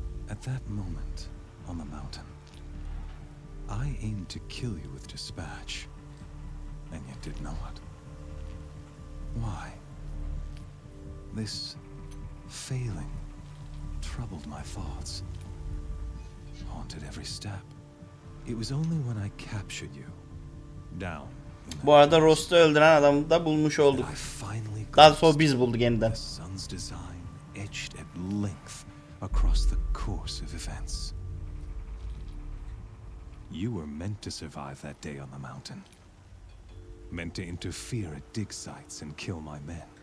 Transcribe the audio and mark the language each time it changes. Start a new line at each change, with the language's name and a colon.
English: At that moment, on the mountain, I aimed to kill you with dispatch, and yet did not. Why? This failing troubled my thoughts, haunted every step. It was only when I captured you, down.
Turkish: Bu arada Rost'u öldüren adamı da bulmuş olduk. Daha sonra biz bulduk yeniden.
English: The sun's design etched at length across the course of events. You were meant to survive that day on the mountain. Meant to interfere at dig sites and kill my men.